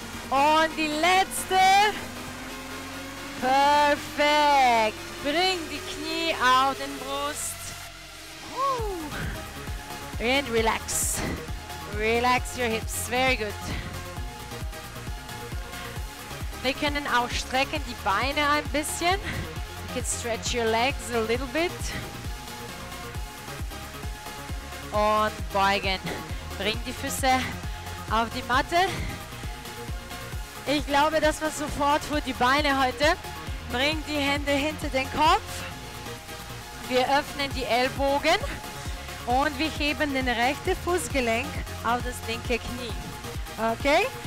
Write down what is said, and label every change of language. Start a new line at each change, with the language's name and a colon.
German: Und die letzte. Perfekt. Bring die Knie auf den Brust.
English: And relax. Relax your hips. Very good.
German: Wir können auch strecken die Beine ein bisschen.
English: You can stretch your legs a little bit.
German: Und beugen. Bring die Füße auf die Matte. Ich glaube, dass wir sofort für die Beine heute. Bring die Hände hinter den Kopf. Wir öffnen die Ellbogen und wir heben den rechten Fußgelenk auf das linke Knie. Okay?